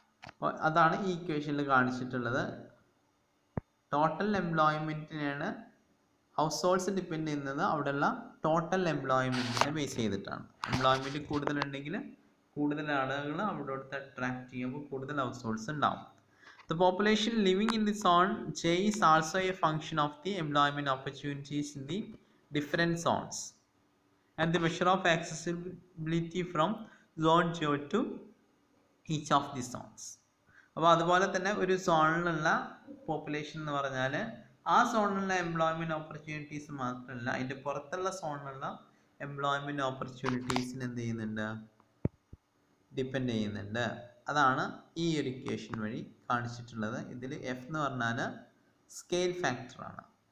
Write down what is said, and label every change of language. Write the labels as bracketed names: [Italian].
[Malayalam] അപ്പോൾ അതാണ് ഈ ഇക്വേഷനിൽ കാണിച്ചിട്ടുള്ളത്. ടോട്ടൽ എംപ്ലോയ്മെൻറ്റിനെയാണ് ഹൗസ് ഹോൾഡ്സ് ഡിപ്പെൻഡ് ചെയ്യുന്നത്, അവിടെയുള്ള ടോട്ടൽ എംപ്ലോയ്മെൻറ്റിനെ ബേസ് ചെയ്തിട്ടാണ്. എംപ്ലോയ്മെൻറ്റ് കൂടുതലുണ്ടെങ്കിൽ കൂടുതൽ ആളുകൾ അവിടെ അടുത്ത് അട്രാക്ട് ചെയ്യുമ്പോൾ കൂടുതൽ ഹൗസ് ഹോൾഡ്സ് ഉണ്ടാവും. [English] The population living in the zone J is also a function of the employment opportunities in the different zones and the measure of accessibility from zone J to each of the zones. [Malayalam] അപ്പോൾ അതുപോലെ തന്നെ ഒരു സോണിലുള്ള population എന്ന് പറഞ്ഞാൽ ആ സോണിലുള്ള employment opportunities മാത്രമല്ല അതിൻ്റെ പുറത്തുള്ള സോണിലുള്ള എംപ്ലോയ്മെൻറ്റ് ഓപ്പർച്യൂണിറ്റീസിന് എന്ത് ചെയ്യുന്നുണ്ട്, ഡിപ്പെൻഡ് ചെയ്യുന്നുണ്ട്. അതാണ് ഈ ഒരു ഇക്വേഷൻ വഴി കാണിച്ചിട്ടുള്ളത്. ഇതിൽ എഫ് എന്ന് പറഞ്ഞാൽ സ്കെയിൽ ഫാക്ടറാണ്.